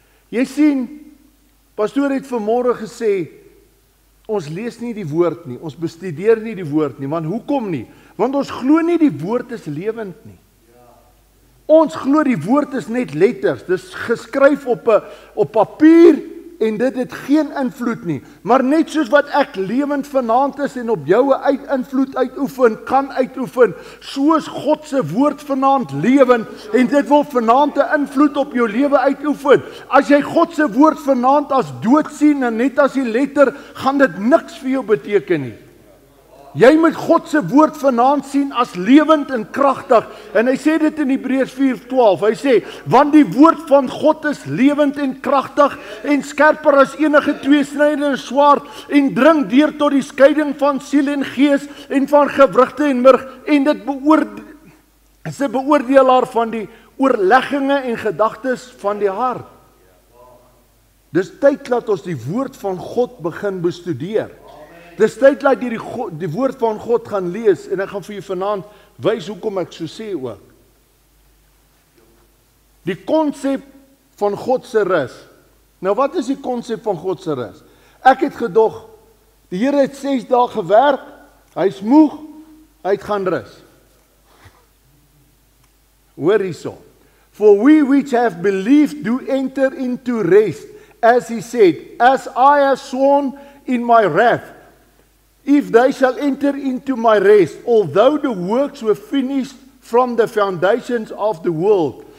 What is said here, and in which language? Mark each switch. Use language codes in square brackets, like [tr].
[af] Jy sien, pastoor het vanmorgen gesê, ons lees nie die woord nie, ons bestudeer nie die woord nie, want hoekom nie? Want ons glo nie die woord is lewend nie. Ons glo die woord is net letters, dis geskryf op papier, en dit het geen invloed nie. Maar net soos wat ek lewend vanaand is, en op jou invloed uitoefen, kan uitoefen, soos Godse woord vanaand lewend, en dit wil vanaand een invloed op jou leven uitoefen. As jy Godse woord vanaand as dood sien, en net as die letter, gaan dit niks vir jou beteken nie. Jy moet Godse woord vanaand sien as lewend en krachtig, en hy sê dit in Hebreërs 4:12, hy sê, want die woord van God is lewend en krachtig, en skerper as enige tweesnydende swaard, en dring deur tot die skeiding van siel en gees, en van gewrigte en murg, en dit is een beoordelaar van die oorlegginge en gedagtes van die hart. Dis tyd dat ons die woord van God begin bestudeer. Dis tyd dat jy die woord van God gaan lees, en ek gaan vir jy vanaand wys hoekom ek so sê ook. Die konsep van Godse rus. Nou wat is die konsep van Godse rus? Ek het gedog, die Here het 6 dae gewerk, hy is moeg, hy het gaan rus. Hoor hierso. [en] For we which have believed do enter into rest, as he said, as I have sworn in my wrath, if they shall enter into my rest, although the works were finished from the foundations of the world.